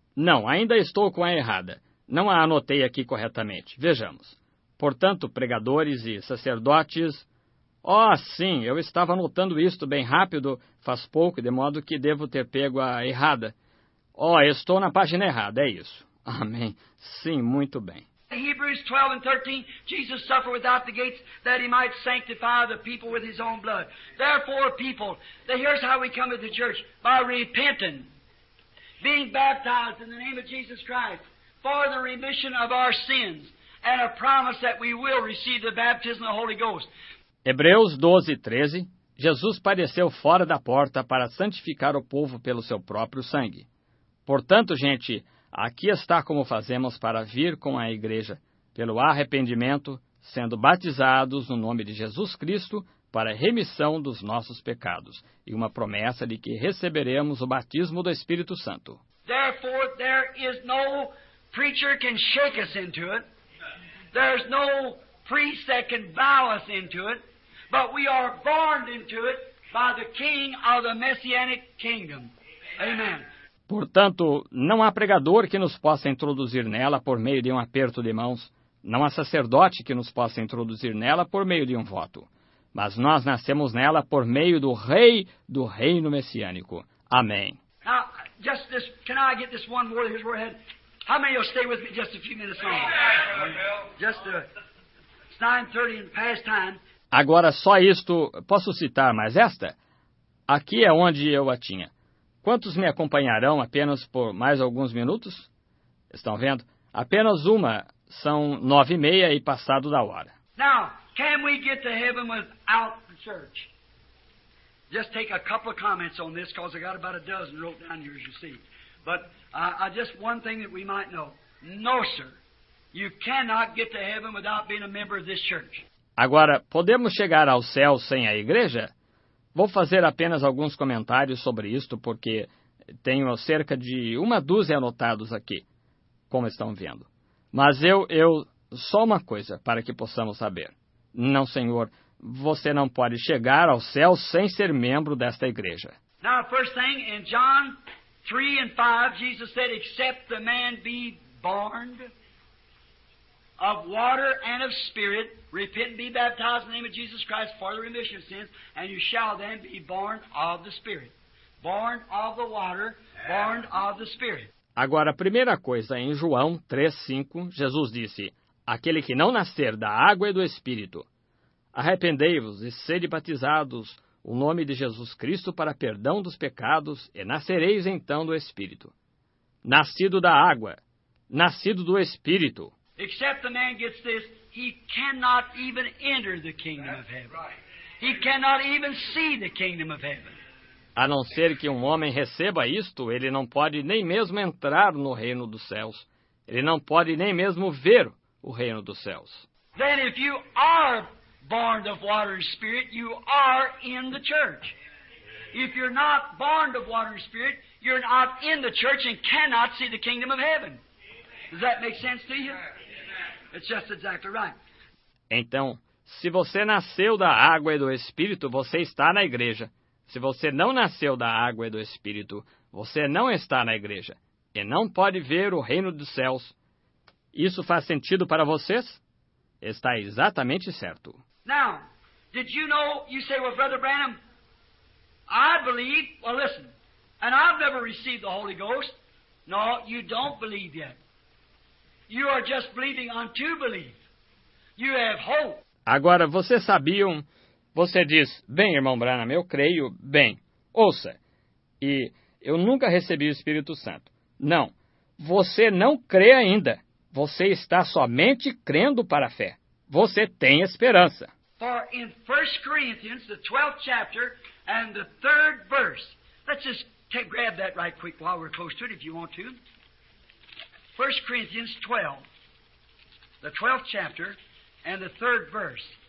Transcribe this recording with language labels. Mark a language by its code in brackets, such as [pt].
[pt] Não, ainda estou com a errada. Não a anotei aqui corretamente. Vejamos. Portanto, pregadores e sacerdotes... Oh, sim, eu estava anotando isto bem rápido, faz pouco, de modo que devo ter pego a errada. Oh, estou na página errada, é isso. Amém. Sim, muito bem. [en] Hebrews 12 and 13, Jesus suffered without the gates that he might sanctify the people with his own blood. Therefore, people, here's how we come to the church, by repenting, being baptized in the name of Jesus Christ for the remission of our sins and a promise that we will receive the baptism of the Holy Ghost. [pt] Hebreus 12, 13, Jesus padeceu fora da porta para santificar o povo pelo seu próprio sangue. Portanto, gente, aqui está como fazemos para vir com a igreja, pelo arrependimento, sendo batizados no nome de Jesus Cristo para remissão dos nossos pecados e uma promessa de que receberemos o batismo do Espírito Santo. [en] Therefore, there is no preacher can shake us into it. There's no priest that can bow us into it. But we are born into it by the King of the Messianic Kingdom. Amen. [pt] Portanto, não há pregador que nos possa introduzir nela por meio de um aperto de mãos, não há sacerdote que nos possa introduzir nela por meio de um voto, mas nós nascemos nela por meio do Rei do Reino Messiânico. Amém. [en] Now, just this, can I get this one more? Here's where I had. How many of you stay with me just a few minutes longer? Yeah, just it's 9:30 in past time. [pt] Agora só isto, posso citar mais esta? Aqui é onde eu a tinha. Quantos me acompanharão apenas por mais alguns minutos? Estão vendo? Apenas uma. São 9:30 e passado da hora. [en] Now, can we get to heaven without the church? Just take a couple of comments on this, because I got about a dozen wrote down here, as you see. But just one thing that we might know. No, sir. You cannot get to heaven without being a member of this church. [pt] Agora, podemos chegar ao céu sem a igreja? Vou fazer apenas alguns comentários sobre isto, porque tenho cerca de uma dúzia anotados aqui, como estão vendo. Mas eu só uma coisa para que possamos saber. Não, senhor, você não pode chegar ao céu sem ser membro desta igreja. [en] Now, first thing, in John 3 and 5, Jesus said, except the man be born of water and of spirit, repent and be baptized in the name of Jesus Christ for the remission of sins, and you shall then be born of the Spirit. Born of the water, born of the Spirit. [pt] Agora, a primeira coisa, em João 3, 5, Jesus disse, aquele que não nascer da água e do Espírito, arrependei-vos e sede batizados o nome de Jesus Cristo para perdão dos pecados, e nascereis então do Espírito. Nascido da água, nascido do Espírito. [en] Except the man gets this, he cannot even enter the kingdom That's of heaven. Right. He cannot even see the kingdom of heaven. [pt] A não ser que um homem receba isto, ele não pode nem mesmo entrar no reino dos céus. Ele não pode nem mesmo ver o reino dos céus. [en] Then if you are born of water and spirit, you are in the church. If you're not born of water and spirit, you're not in the church and cannot see the kingdom of heaven. Does that make sense to you? It's just exactly right. [pt] Então, se você nasceu da água e do Espírito, você está na igreja. Se você não nasceu da água e do Espírito, você não está na igreja e não pode ver o reino dos céus. Isso faz sentido para vocês? Está exatamente certo. [en] Now, did you know, you say, well, Brother Branham, I believe, well, listen, and I've never received the Holy Ghost. No, you don't believe yet. You are just believing on to believe. You have hope. [pt] Agora, vocês sabiam, você diz, bem, irmão Branham, eu creio, bem, ouça, e eu nunca recebi o Espírito Santo. Não, você não crê ainda. Você está somente crendo para a fé. Você tem esperança. [en] For in 1 Corinthians, the 12th chapter, and the 3rd verse. Let's just grab that right quick while we're close to it, if you want to. 1 Corinthians 12, the 12th chapter, and the 3rd verse.